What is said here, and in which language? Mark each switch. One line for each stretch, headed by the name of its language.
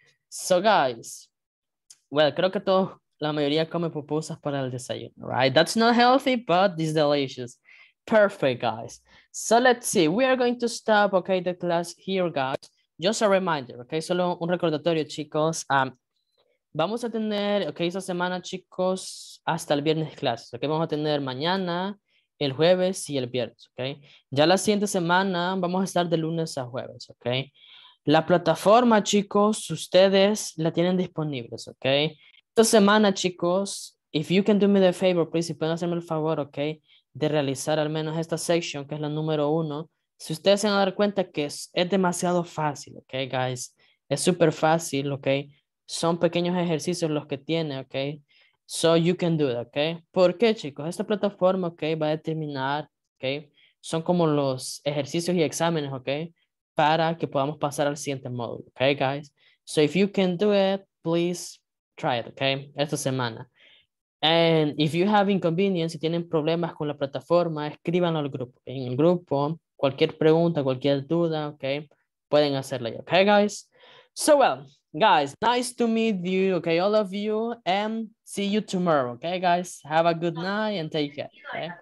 English: So, guys, well,
Spanish: creo que todos, la mayoría come pupusas para el desayuno,
English: right? That's not healthy, but it's delicious. Perfect, guys. So, let's see. We are going to stop, okay, the class here, guys. Just a reminder,
Spanish: okay? Solo un recordatorio, chicos. Vamos a tener, okay, esta semana, chicos, hasta el viernes clases, okay? Vamos a tener mañana, el jueves y el viernes, okay? Ya la siguiente semana vamos a estar de lunes a jueves, okay? La plataforma, chicos, ustedes la tienen disponibles, okay? Esta semana, chicos,
English: if you can do me the favor, please,
Spanish: si pueden hacerme el favor, okay, de realizar al menos esta section, que es la número uno, si ustedes se van a dar cuenta que es demasiado fácil, okay, guys? Es súper fácil, okay? Son pequeños ejercicios los que tiene, okay?
English: So you can do that,
Spanish: okay? ¿Por qué, chicos? Esta plataforma, okay, va a determinar, okay? Son como los ejercicios y exámenes, okay? Para que podamos pasar al siguiente módulo, okay, guys?
English: So if you can do it, please try it, okay?
Spanish: Esta semana.
English: And if you have inconvenience,
Spanish: si tienen problemas con la plataforma, escríbanlo al grupo. En el grupo, cualquier pregunta, cualquier duda, okay? Pueden hacerla, okay, guys?
English: So well, guys, nice to meet you, okay, all of you, and see you tomorrow, okay, guys? Have a good night and take care, okay?